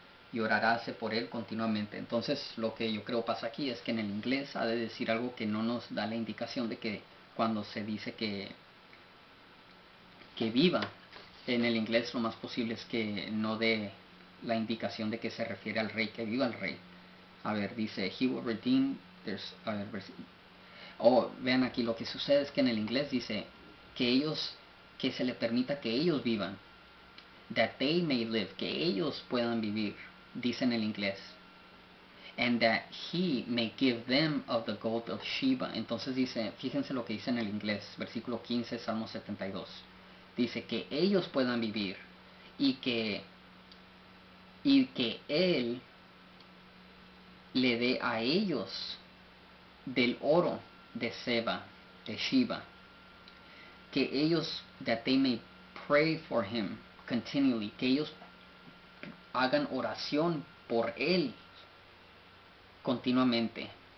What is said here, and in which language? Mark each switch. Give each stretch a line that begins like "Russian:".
Spanish: Y oraráse por él continuamente. Entonces, lo que yo creo pasa aquí es que en el inglés ha de decir algo que no nos da la indicación de que cuando se dice que viva, en el inglés lo más posible es que no dé la indicación de que se refiere al rey, que viva el rey. A ver, dice,
English: he will redeem,
Spanish: a ver, vean aquí, lo que sucede es que en el inglés dice que ellos, que se le permita que ellos vivan.
English: That they may live,
Spanish: que ellos puedan vivir, dice en el inglés.
English: And that he may give them of the gold of Sheba.
Spanish: Entonces dice, fíjense lo que dice en el inglés, versículo 15, Salmo 72. Dice que ellos puedan vivir y que él le dé a ellos del oro de Seba, de Sheba. Que ellos,
English: that they may pray for him.
Spanish: Continually, que ellos hagan oración por él continuamente.